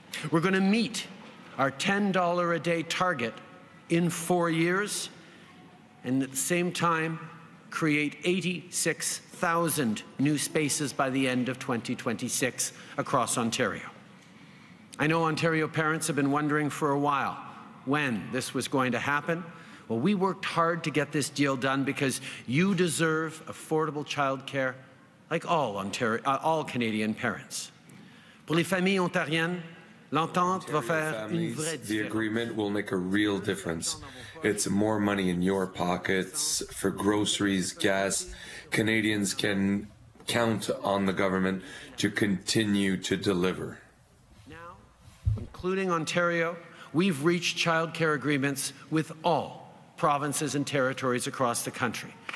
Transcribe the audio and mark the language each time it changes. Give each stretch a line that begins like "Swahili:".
English: We're going to meet our $10 a day target in 4 years and at the same time create 86,000 new spaces by the end of 2026 across Ontario. I know Ontario parents have been wondering for a while when this was going to happen. Well, we worked hard to get this deal done because you deserve affordable childcare like all Ontario, all Canadian parents.
French: Pour les familles ontariennes, l'entente va faire une vraie différence.
English: The agreement will make a real difference. It's more money in your pockets for groceries, gas. Canadians can count on the government to continue to deliver. Including Ontario, we've reached childcare agreements with all provinces and territories across the country,